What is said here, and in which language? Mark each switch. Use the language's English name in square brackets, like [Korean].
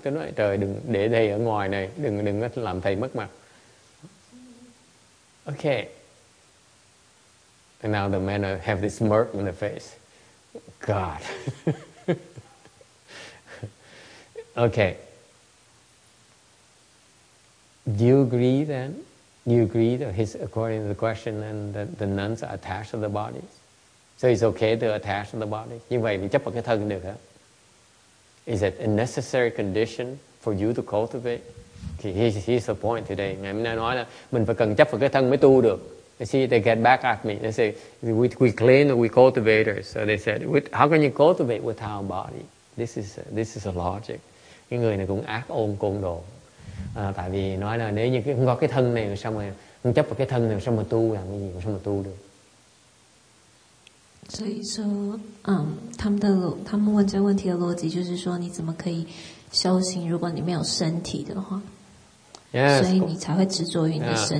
[Vietnamese] Tôi nói, trời, đừng để thầy ở ngoài này, đừng làm thầy mất mặt. [English] Okay. And now the men have this smirk on their face. God. Okay. Do you agree then? Do you agree that his, according to the question, then that the nuns are attached to the bodies? So it's okay to attach to the body? [Vietnamese] Như vậy mình chấp vào cái thân được hả? [English] Is it a necessary condition for you to cultivate? Okay, here's the point today. [Vietnamese] Ngày mình nói là mình phải cần chấp vào cái thân mới tu được. [English] You see, they get back at me. They say, we claim that we're cultivators. So they said, how can you cultivate without a body? This is a logic. [Vietnamese] Cái người này cũng ác ôn côn đồ. Tại vì nói là nếu như không có cái thân này, sao mà không chấp vào cái thân này, sao mà tu làm cái gì, sao mà tu được. [Chinese] 所以说, 他们问这问题的逻辑就是说, 你怎么可以修行, 如果你没有身体的话, [English] yes, [Chinese] 所以你才会执着于你的身体。